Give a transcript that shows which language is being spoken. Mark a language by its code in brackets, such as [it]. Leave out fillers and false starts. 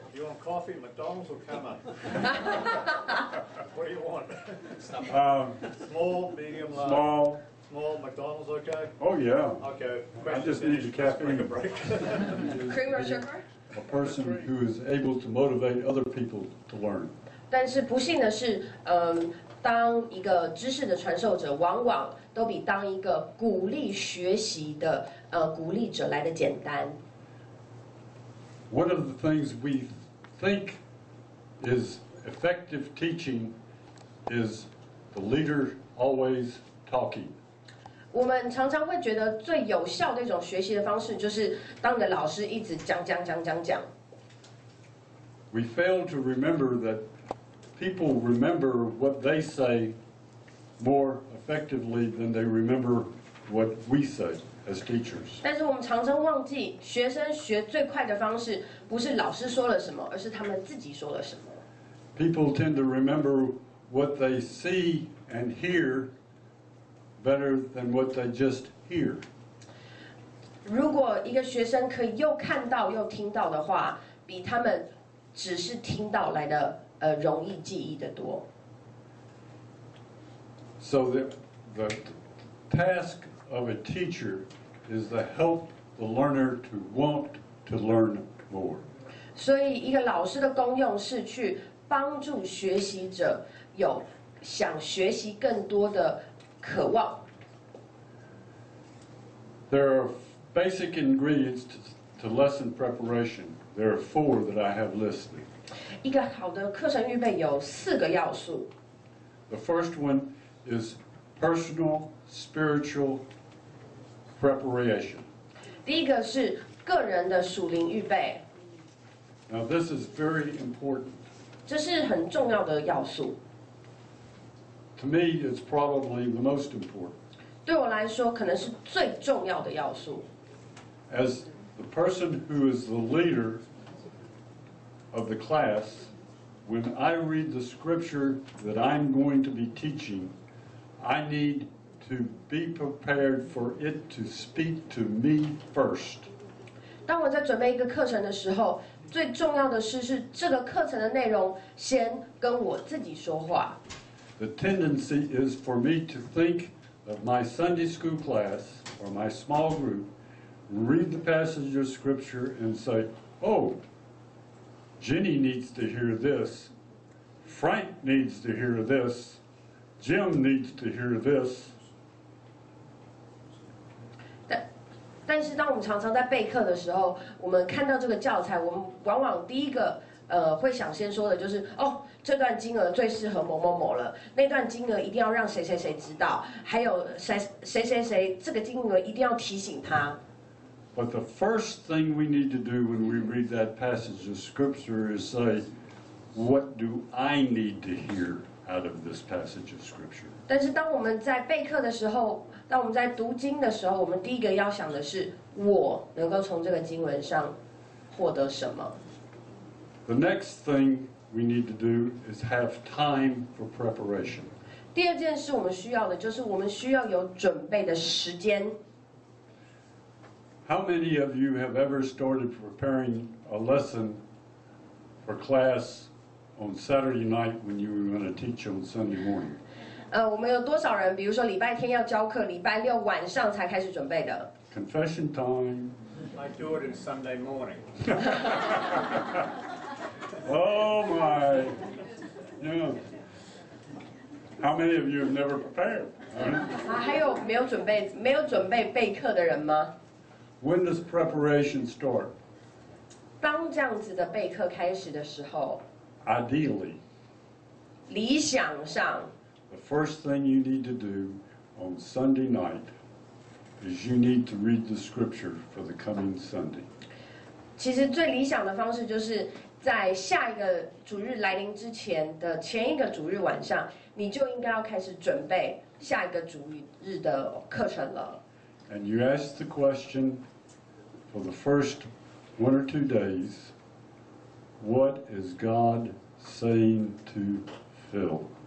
[en] you want coffee? McDonald's will come up. What do you want? Small, medium, large. Small. Small, McDonald's, okay? Oh, yeah. Okay. Question I just need your caffeine. Take a break. Cream or sugar? A person who is able to motivate other people to learn. [zh] 但是不幸的是，当一个知识的传授者，往往都比当一个鼓励学习的鼓励者来的简单。 [en] One of the things we think is effective teaching is the leader always talking. [zh] 我们常常会觉得最有效的一种学习的方式，就是当你的老师一直讲。 [en] We fail to remember that. People remember what they say more effectively than they remember what we say as teachers. [zh] 但是我们常常忘记，学生学最快的方式不是老师说了什么，而是他们自己说了什么。 [en] People tend to remember what they see and hear better than what they just hear. [zh] 如果一个学生可以又看到又听到的话，比他们只是听到来的。容易记忆的多。 [en] So the task of a teacher is to help the learner to want to learn more. [zh] 所以一个老师的功用是去帮助学习者有想学习更多的渴望。 [en] There are basic ingredients to lesson preparation. There are four that I have listed. [zh] 一个好的课程预备有四个要素。 [en] The first one is personal spiritual preparation. [zh] 第一个是个人的属灵预备。 [en] Now this is very important. [zh] 这是很重要的要素。 [en] To me, it's probably the most important. [zh] 对我来说，可能是最重要的要素。 [en] As the person who is the leader. Of the class, when I read the scripture that I'm going to be teaching, I need to be prepared for it to speak to me first. [zh] 当我在准备一个课程的时候，最重要的是这个课程的内容先跟我自己说话。 [en] The tendency is for me to think of my Sunday school class or my small group, read the passage of scripture and say, "Oh,Jenny needs to hear this. Frank needs to hear this. Jim needs to hear this. [zh] 但是当我们常常在备课的时候，我们看到这个教材，我们往往第一个会想先说的就是哦，这段经额最适合某某某了。那段经额一定要让谁谁谁知道，还有谁谁谁这个经额一定要提醒他。 [en] But the first thing we need to do when we read that passage of scripture is say, what do I need to hear out of this passage of scripture? [zh] 但是当我们在备课的时候，当我们在读经的时候，我们第一个要想的是我能够从这个经文上获得什么。 [en] The next thing we need to do is have time for preparation. [zh] 第二件事我们需要的就是我们需要有准备的时间。 [en] How many of you have ever started preparing a lesson for class on Saturday night when you were going to teach on Sunday morning? [zh] 我们有多少人，比如说礼拜天要教课，礼拜六晚上才开始准备的 [en] ？Confession time. My daughter Sunday morning. Oh my. Yeah. How many of you have never prepared? Huh? [zh] 还有没有准备备课的人吗? [en] When does preparation start? [zh] 当这样子的备课开始的时候, [en] ideally, [zh] 理想上, [en] the first thing you need to do on Sunday night is you need to read the scripture for the coming Sunday. [zh] 其实最理想的方式就是在下一个主日来临之前的前一个主日晚上, 你就应该要开始准备下一个主日的课程了。And [en] you ask the question for the first one or two days, what is God saying to Phil?